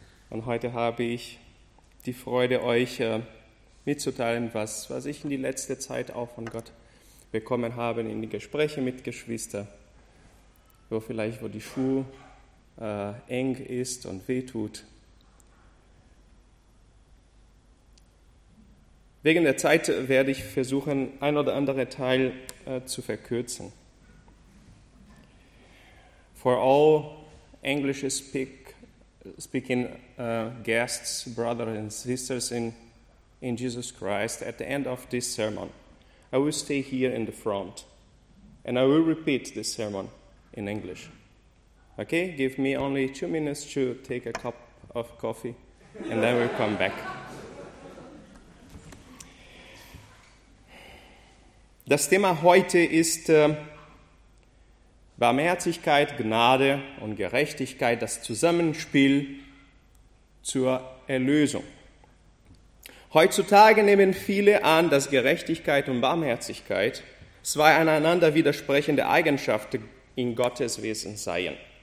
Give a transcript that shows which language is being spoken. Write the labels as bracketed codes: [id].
[de] Und heute habe ich die Freude, euch mitzuteilen, was ich in die letzte Zeit auch von Gott bekommen habe, in die Gespräche mit Geschwistern, wo die Schuhe eng ist und wehtut. Wegen der Zeit werde ich versuchen, ein oder andere Teil zu verkürzen. [en] For all English speaking guests, brothers and sisters in Jesus Christ, at the end of this sermon, I will stay here in the front and I will repeat this sermon in English. Okay? Give me only 2 minutes to take a cup of coffee and then we'll come back. [de] Das Thema heute ist Barmherzigkeit, Gnade und Gerechtigkeit, das Zusammenspiel zur Erlösung. Heutzutage nehmen viele an, dass Gerechtigkeit und Barmherzigkeit zwei aneinander widersprechende Eigenschaften in Gottes Wesen seien.